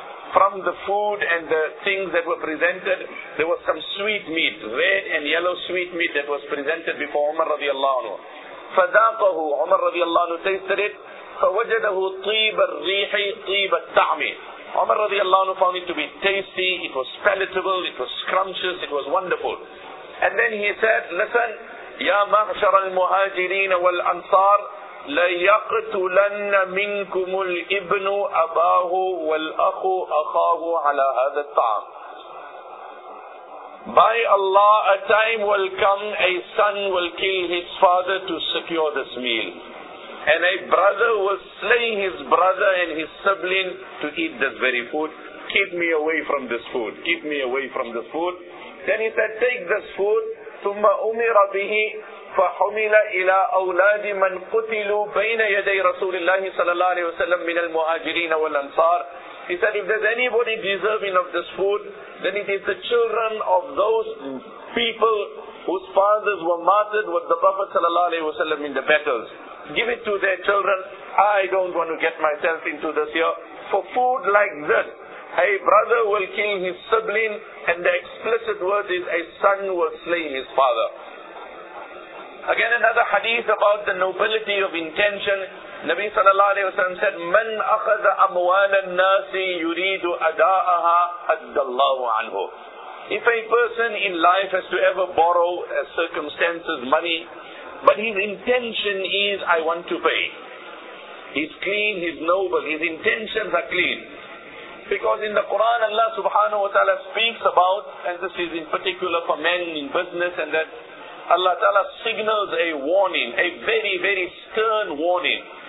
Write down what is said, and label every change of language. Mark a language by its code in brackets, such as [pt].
[en] From the food and the things that were presented, there was some sweet meat, red and yellow sweet meat that was presented before Umar radiallahu anhu. [ar] فَذَاقَهُ, [en] Umar radiallahu anhu tasted it. [ar] فَوَجَدَهُ طِيبَ الرِّيحِ طِيبَ الطَّعْمِ. [en] Umar radiallahu anhu found it to be tasty, it was palatable, it was scrumptious, it was wonderful. And then he said, listen, [ar] يَا مَعْشَرَ الْمُهَاجِرِينَ وَالْأَنصَارِ لَيَقْتُلَنَّ مِنْكُمُ الْإِبْنُ أَبَاهُ وَالْأَخُ أَخَاهُ عَلَىٰ هَذَا الطَّعَامِ. [en] By Allah, a time will come, a son will kill his father to secure this meal, and a brother will slay his brother and his sibling to eat this very food. Keep me away from this food. Keep me away from this food. Then he said, take this food. [ar] ثم أمر به فحمل إلى أولاد من قتلوا بين يدي رسول الله صلى الله عليه وسلم من المهاجرين والأنصار. [en] He said, if there's anybody deserving of this food, then it is the children of those people whose fathers were martyred with the Prophet [ar] صلى الله عليه وسلم [en] in the battles. Give it to their children. I don't want to get myself into this here. For food like this, a brother will kill his sibling And the explicit word is, a son will slay his father. Again, another hadith about the nobility of intention. Nabi sallallahu alayhi wa sallam said, [ar] من أخذ أموال الناس يريد أداءها أدى الله عنه. [en] If a person in life has to ever borrow circumstances, money, but his intention is, I want to pay. He's clean, he's noble, his intentions are clean. Because in the Quran, Allah subhanahu wa ta'ala speaks about, and this is in particular for men in business, and that Allah ta'ala signals a warning, a very, very stern warning.